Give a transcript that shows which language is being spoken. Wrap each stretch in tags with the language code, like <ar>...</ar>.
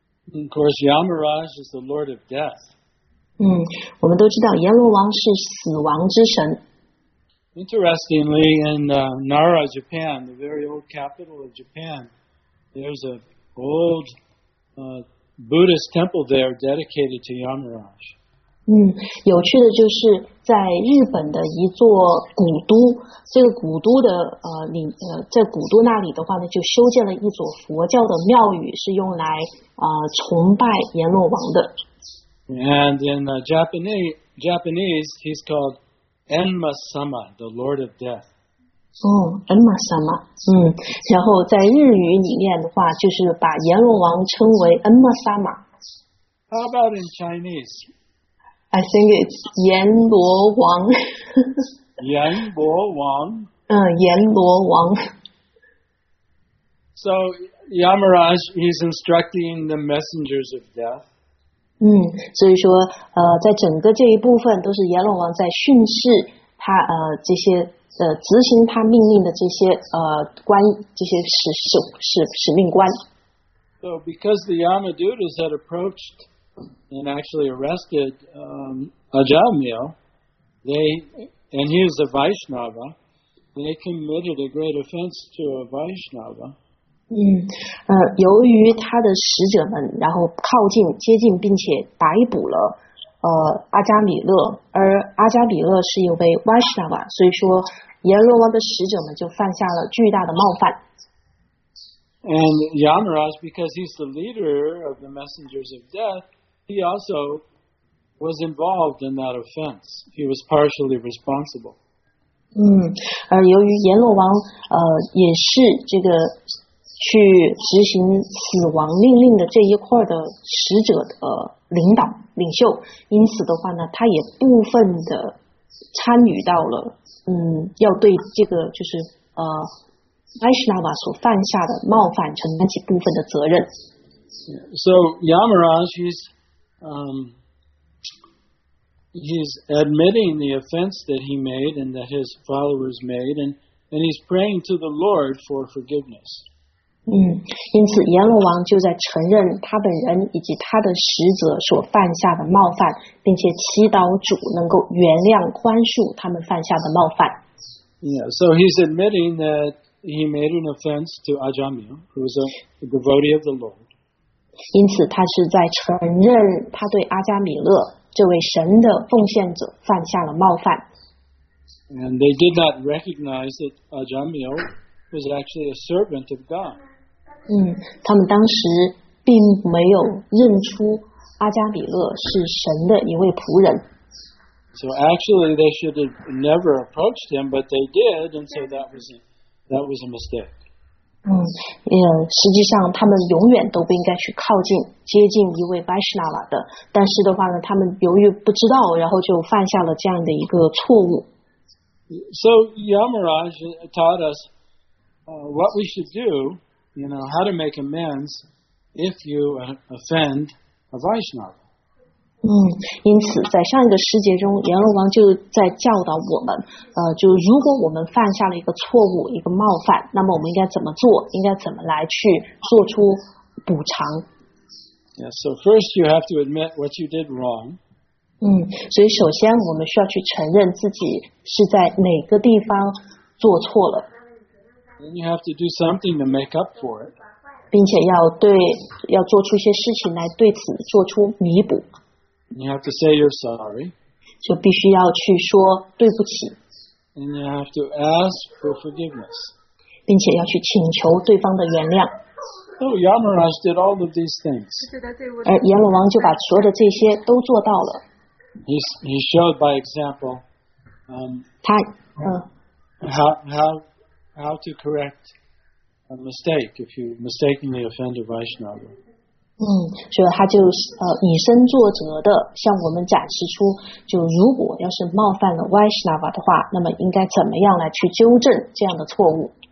<en>Of course, Yamaraj is the Lord of Death.</en> <zh>我们都知道阎罗王是死亡之神。</zh> <en>Interestingly, in Nara, Japan, the very old capital of Japan, there's an old Buddhist temple there dedicated to Yamaraj.</en> <zh>有趣的就是在日本的一座古都，这个古都的在古都那里的话呢，就修建了一座佛教的庙宇，是用来崇拜阎罗王的。</zh> <en>And in Japanese, he's called Enma-sama, the Lord of Death.</en> <zh>Enma-sama. 然后在日语里面的话，就是把阎罗王称为 Enma-sama.</zh> <en>How about in Chinese? I think it's 阎罗王。</en> <zh>阎罗王。阎罗王。</zh> <en>So Yamaraj, he's instructing the messengers of death.</en> <zh>所以说在整个这一部分都是阎罗王在训示他这些执行他命令的这些官，这些使命官。</zh> <en>So because the Yamadutas had approached. And actually arrested Ajamil, and he is a Vaishnava. They committed a great offense to a Vaishnava.</en> <zh>由于他的使者们然后靠近、接近并且逮捕了阿加米勒，而阿加米勒是一位 Vaishnava， 所以说阎罗王的使者们就犯下了巨大的冒犯。</zh> <en>And Yamaraj, because he's the leader of the messengers of death. He also was involved in that offense. He was partially responsible.</en> <zh>而由于阎罗王也是这个去执行死亡命令的这一块的使者的领导领袖，因此的话呢，他也部分的参与到了要对这个就是Vaishnava 所犯下的冒犯承担起部分的责任。</zh> <en>So Yamaraj, he's admitting the offense that he made and that his followers made, and he's praying to the Lord for forgiveness.</en> <zh>因此阎罗王就在承认他本人以及他的使者所犯下的冒犯，并且祈祷主能够原谅宽恕他们犯下的冒犯。</zh> <en>Yeah, so he's admitting that he made an offense to Ajamil, who was a devotee of the Lord.</en> <zh>因此他是在承认他对阿加米勒这位神的奉献者犯下了冒犯。</zh> <en>And they did not recognize that Ajamil was actually a servant of God.</en> <zh>他们当时并没有认出阿加米勒是神的一位仆人。</zh> <en>So actually they should have never approached him, but they did, and so that was a mistake.</en> <zh>实际上他们永远都不应该去靠近接近一位 Vaishnava 的，但是的话呢，他们由于不知道然后就犯下了这样的一个错误。</zh> <en>So Yamaraj taught us what we should do, you know, how to make amends if you offend a Vaishnava.</en> <zh>因此在上一个时节中阎罗王就在教导我们就如果我们犯下了一个错误一个冒犯，那么我们应该怎么做，应该怎么来去做出补偿。</zh> <en>Yeah, so first you have to admit what you did wrong.</en> <zh>所以首先我们需要去承认自己是在哪个地方做错了。</zh> <en>Then you have to do something to make up for it.</en> <zh>并且要做出一些事情来对此做出弥补。</zh> <en>You have to say you're sorry.</en> <zh>就必须要去说对不起。</zh> <en>And you have to ask for forgiveness.</en> <zh>并且要去请求对方的原谅。</zh> <en>So Yamaraj did all of these things.</en> <zh>而阎罗王就把所有的这些都做到了。</zh> <en>He showed by example, how to correct a mistake if you mistakenly offend a Vaishnava.</en> <zh>所以他就以身作则的向我们展示出，就如果要是冒犯了 Vaishnava 的话，那么应该怎么样来去纠正这样的错误。</zh>